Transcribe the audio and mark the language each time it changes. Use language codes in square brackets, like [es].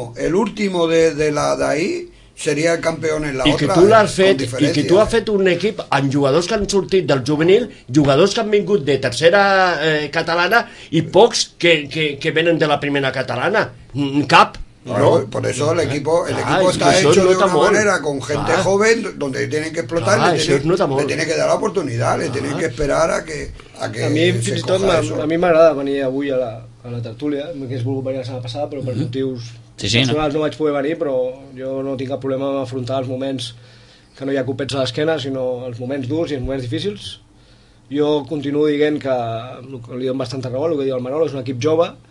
[ca] l'últim de la d'ahí seria el campió en la i que altra, tu l'has fet, i que tu has fet un equip amb jugadors que han sortit del juvenil, jugadors que han vingut de tercera catalana i pocs que venen de la primera catalana, cap. Bueno, no. [es] Por eso el equipo está hecho de una manera con gente joven donde tienen que explotar, le tienen que dar la oportunidad, le tienen que esperar a que [ca] a mí fins i tot a mí m'agrada venir avui a la tertúlia, que es volgut venir la setmana passada, però per motius personals no vaig poder venir, però jo no tinc cap problema a afrontar els moments que no hi ha copets a l'esquena, sinó els moments durs i els moments difícils. Jo continuo dient que li dono bastanta raó, el que diu el Manolo, és un equip jove.